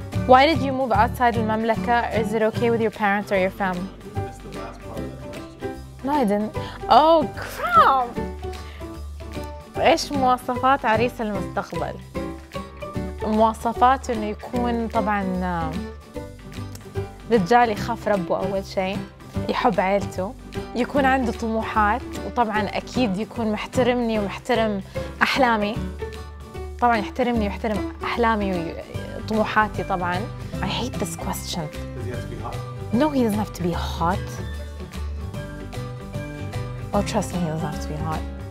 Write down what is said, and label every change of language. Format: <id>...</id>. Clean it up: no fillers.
<en>Why did you move outside المملكة? Is it okay with your parents or your family? You missed the last part of the question. No I didn't. Oh crap.</en> <ar>إيش مواصفات عريس المستقبل؟ مواصفات انه يكون طبعا رجال يخاف ربه اول شيء يحب عيلته يكون عنده طموحات وطبعا اكيد يكون محترمني ومحترم احلامي طبعا يحترمني ويحترم احلامي وطموحاتي طبعا.</ar> <en>I hate this question. Does he have to be hot? No he doesn't have to be hot. Oh trust me he doesn't have to be hot.</en>